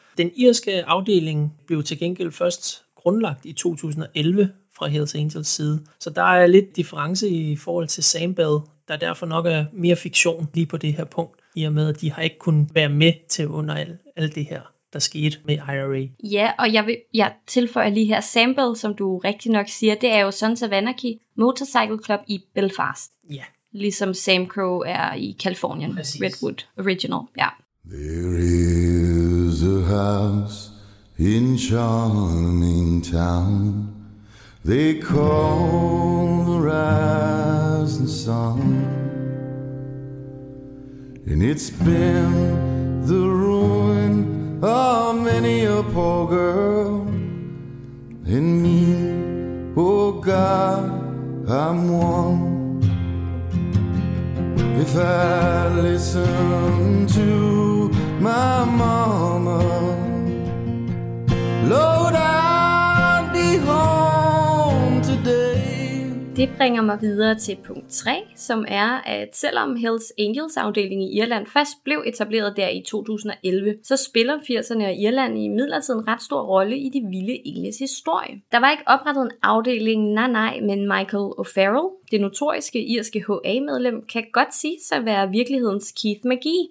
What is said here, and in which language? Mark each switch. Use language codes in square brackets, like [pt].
[da] Den irske afdeling blev til gengæld først grundlagt i 2011 fra Hells Angels side, så der er lidt difference i forhold til Sambal, der derfor nok er mere fiktion lige på det her punkt, i og med, at de har ikke kunnet være med til under alt det her, der skete med IRA. Ja, og jeg tilføjer lige her, Sambal, som du rigtig nok siger, det er jo Sons of Anarchy Motorcycle Club i Belfast. Ja. Ligesom Sam Crow er i Californien. Præcis. Redwood Original, ja. [en] There is a house in charming town. They call the rising sun. And it's been the ruin of many a poor girl. And me, oh God, I'm one. If I listen to my mama, Lord, I'd be home today. [da] Det bringer mig videre til punkt 3, som er, at selvom Hells Angels afdeling i Irland først blev etableret der i 2011, så spiller 80'erne og Irland i midlertid en ret stor rolle i de vilde engles historie. Der var ikke oprettet en afdeling, nej, men Michael O'Farrell, det notoriske irske HA-medlem, kan godt sige sig at være virkelighedens Keith McGee.